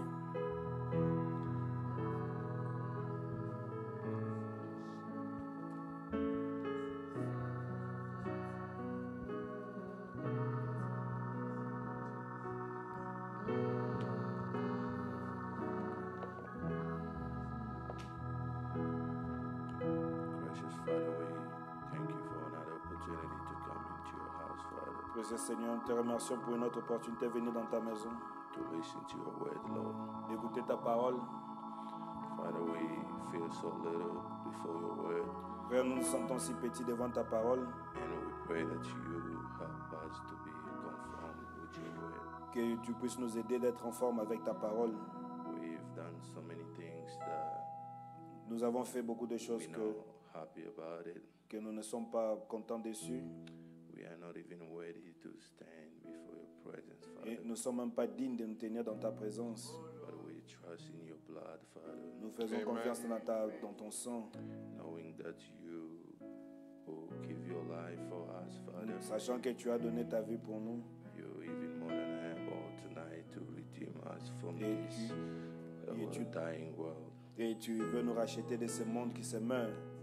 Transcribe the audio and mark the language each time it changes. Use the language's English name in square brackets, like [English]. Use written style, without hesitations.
[English] Gracious Father, we thank you for another opportunity to come into your house, Father. [French] Précieux Seigneur, nous te remercions pour une autre opportunité de venir dans ta maison. [English] Listen to your word, Lord. [French] Écoutez ta parole. [English] Father, we feel so little before your word. [French] Père, nous nous sentons si petits devant ta parole. [English] And we pray that you help us to be conformed with your word. [French] Que tu puisses nous aider d'être en forme avec ta parole. [English] We've done so many things that [French] nous avons fait beaucoup de choses [English] we're not happy about it. [French] Que nous ne sommes pas contents dessus. [English] We are not even worthy to stand before your presence, Father. [French] Et nous sommes même pas dignes de nous tenir dans ta présence. [English] But we trust in your blood, Father. [French] Nous faisons confiance dans ta, dans ton sang. [English] Knowing that you will give your life for us, Father. [French] Sachant que tu as donné ta vie pour nous. [English] You are even more than able tonight to redeem us from this dying world. [French] Et tu veux nous racheter de ce monde qui se meurt.